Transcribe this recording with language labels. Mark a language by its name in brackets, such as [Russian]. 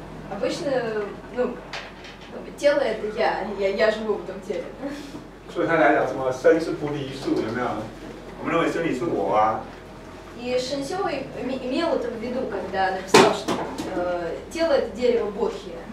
[Russian] Обычно, ну, тело – это я живу в этом теле. [Chinese] 所以他来讲什么身是菩提树，有没有？我们认为身体是我啊。 [Russian] И Шэньсё имел это в виду, когда написал, что тело – это дерево Бодхи.